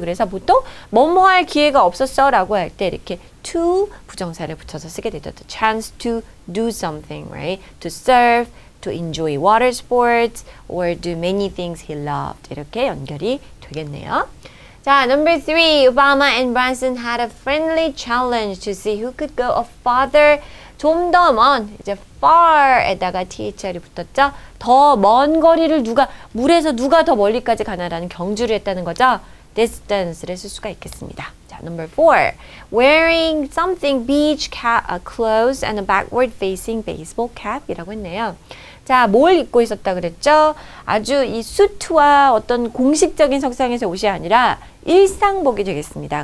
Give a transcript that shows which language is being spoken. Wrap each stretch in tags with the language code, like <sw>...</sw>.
<ko>그래서 보통 뭐뭐 할 기회가 없었어 라고 할 때 이렇게 to 부정사를 붙여서 쓰게 되죠.</ko> <en>The chance to do something, right? To surf, to enjoy water sports, or do many things he loved.</en> <ko>이렇게 연결이 되겠네요. 자, number three.</ko> <en>Obama and Branson had a friendly challenge to see who could go a farther,</en> <ko>좀 더 먼, 이제 far에다가 thr이 붙었죠. 더 먼 거리를 누가, 물에서 누가 더 멀리까지 가나라는 경주를 했다는 거죠. distance를 쓸 수가 있겠습니다. 자,</ko> <en>number four. Wearing something beach cap, clothes and a backward facing baseball cap</en> <ko>이라고 했네요. 자, 뭘 입고 있었다 그랬죠? 아주 이 수트와 어떤 공식적인 석상에서 옷이 아니라 일상복이 되겠습니다.</ko>